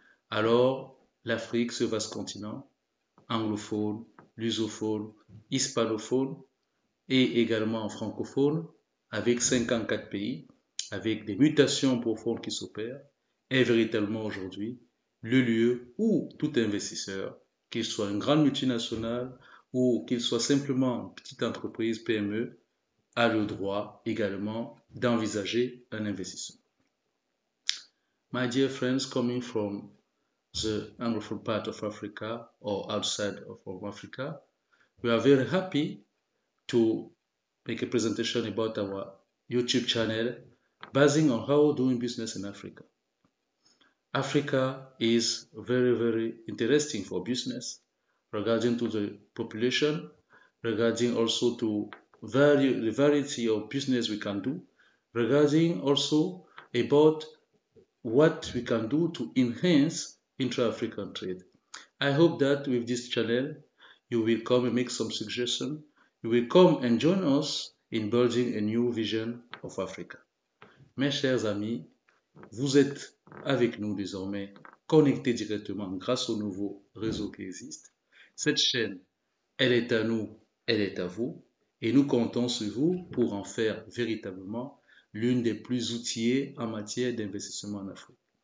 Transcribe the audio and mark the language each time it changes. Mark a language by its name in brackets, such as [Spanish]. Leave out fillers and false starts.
[French] Alors, l'Afrique, ce vaste continent, anglophone, lusophone, hispanophone et également francophone, avec 54 pays, avec des mutations profondes qui s'opèrent, est véritablement aujourd'hui le lieu où tout investisseur, qu'il soit une grande multinationale ou qu'il soit simplement une petite entreprise PME, a le droit également d'envisager un investissement. [English] My dear friends, coming from the Anglophone part of Africa or outside of Africa, we are very happy to make a presentation about our YouTube channel basing on how doing business in Africa. Africa is very, very interesting for business regarding to the population, regarding also to the variety of business we can do, regarding also about what we can do to enhance intra-African trade. I hope that with this channel, you will come and make some suggestions. You will come and join us in building a new vision of Africa. [French] Mes chers amis, vous êtes avec nous désormais, connectés directement grâce au nouveau réseau qui existe. Cette chaîne, elle est à nous, elle est à vous, et nous comptons sur vous pour en faire véritablement l'une des plus outillées en matière d'investissement en Afrique.